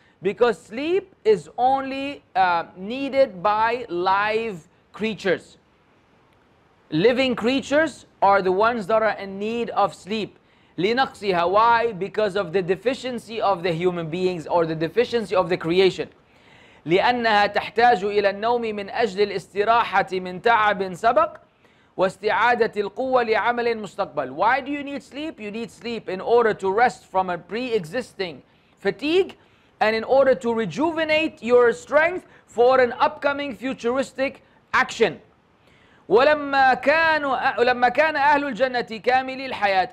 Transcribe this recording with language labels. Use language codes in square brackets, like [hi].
[en] Because sleep is only needed by live creatures. Living creatures are the ones that are in need of sleep. [ar] لنقصها. [en] Why? Because of the deficiency of the human beings, or the deficiency of the creation. [ar] لأنها تحتاج إلى النوم من أجل الاستراحة من تعب سبق واستعادة القوة لعمل مستقبل. [en] Why do you need sleep? You need sleep in order to rest from a pre-existing fatigue, and in order to rejuvenate your strength for an upcoming futuristic action. [ar] وَلَمَّا كَانَ أَهْلُ الْجَنَّةِ كَامِلِ الْحَيَاةِ.